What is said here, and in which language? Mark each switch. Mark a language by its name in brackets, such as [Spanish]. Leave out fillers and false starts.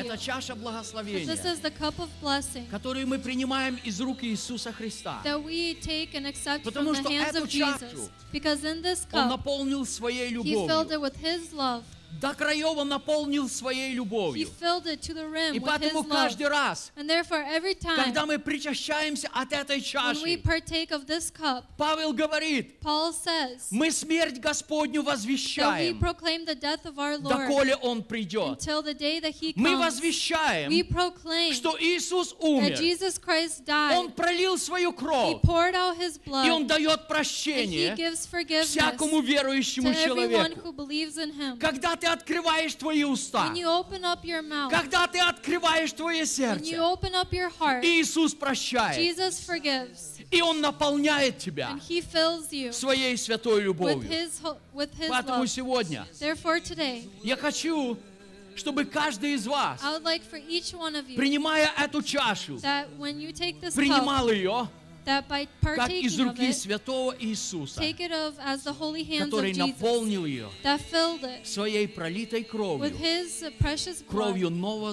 [Russian] Это чаша благословения. [English] This is the cup of blessing. [Russian] Которую мы принимаем из рук Иисуса Христа. [English] That we take and accept from the hands of Jesus. Because in this cup. [Russian] Он наполнил своей любовью. [English] He filled it with His love. [Russian] До краев он наполнил своей любовью. [English] He filled it to the rim [Russian] И поэтому [English] with his [Russian] каждый [English] love. [Russian] Раз, [English] And therefore, every time, [Russian] когда мы причащаемся от этой чаши, [English] when we partake of this cup, [Russian] Павел говорит, [English] Paul says, [Russian] мы смерть Господню возвещаем, [English] that we proclaim the death of our Lord, [Russian] доколе Он придет. [English] Until the day that he comes, [Russian] мы возвещаем, [English] we proclaim, [Russian] что Иисус умер. [English] That Jesus Christ died, [Russian] Он пролил свою кровь. [English] He poured out his blood, [Russian] и Он дает прощение [English] and he gives forgiveness [Russian] всякому верующему [English] to [Russian] человеку. [English] Everyone who believes in him. [Russian] Когда ты открываешь твои уста, [English] when you open up your mouth, [Russian] когда ты открываешь твое сердце, [English] when you open up your heart, [Russian] Иисус прощает, [English] Jesus forgives, [Russian] и Он наполняет тебя [English] and he fills you [Russian] своей святой любовью. [English] With his, with his [Russian] Поэтому [English] love. [Russian] Сегодня [English] Therefore, today, [Russian] я хочу, чтобы каждый из вас, [English] I would like for each one of you, [Russian] принимая эту чашу, [English] that when you take this [Russian] принимал [English] cup, [Russian] ее, [English] that by partaking of it, take it of as the holy hands of Jesus, [Russian] ее, [English] that filled it [Russian] кровью, [English] with His precious blood,